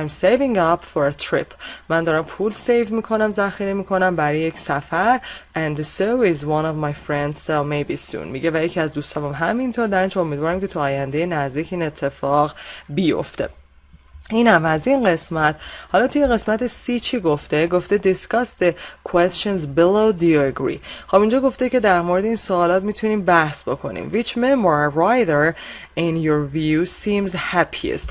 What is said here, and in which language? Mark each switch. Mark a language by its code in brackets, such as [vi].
[en] I'm saving up for a trip. [fa] من دارم پول سیو میکنم، ذخیره میکنم برای یک سفر. [en] And so is one of my friends, so maybe soon. [fa] میگه و یکی از دوستامم همینطور، در این چه امیدوارم که تو آینده نزدیک این اتفاق بیفته. اینم از این قسمت. حالا توی قسمت سی چی گفته؟ گفته [en] discuss the questions below, do you agree. [fa] خب اینجا گفته که در مورد این سوالات میتونیم بحث بکنیم. [en] Which memoir writer in your view seems happiest.